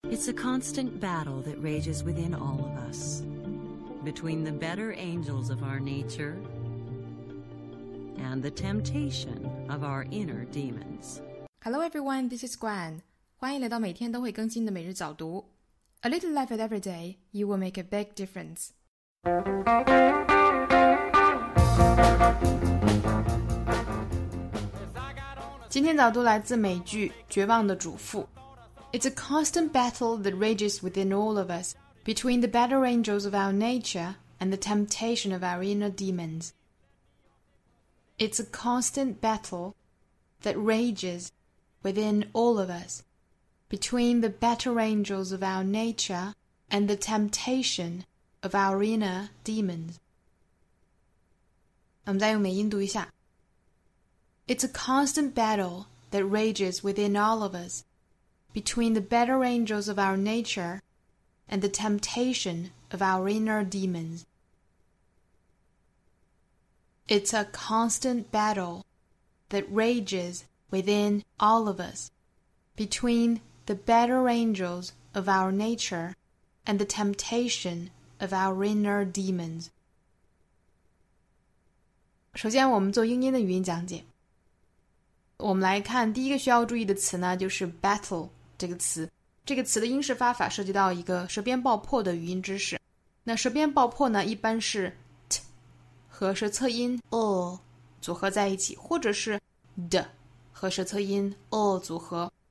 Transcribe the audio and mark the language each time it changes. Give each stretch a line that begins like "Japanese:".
English: It's a constant battle that rages within all of us, between the better angels of our nature and the temptation of our inner demons. Hello everyone, this is Gwen.
Chinese: 欢迎来到每天都会更新的每日早读。
English: A little effort every day, you will make a big difference. A...
Chinese: 今天早读来自美剧《绝望的主妇》。
English: It's a constant battle that rages within all of us, between the better angels of our nature and the temptation of our inner demons. It's a constant battle that rages within all of us, between the better angels of our nature and the temptation of our inner demons.
Chinese: 我们再用美音读一下。
English: It's a constant battle that rages within all of us,between the better angels of our nature and the temptation of our inner demons. It's a constant battle that rages within all of us, between the better angels of our nature and the temptation of our inner demons.
Chinese: 首先我们做英音的语音讲解。我们来看第一个需要注意的词呢，就是 battle。这个词，这个词的英式发法涉及到一个舌边爆破的语音知识。那舌边爆破呢，一般是 t 和舌侧音 o 组合在一起，或者是 d 和舌侧音 o 组合。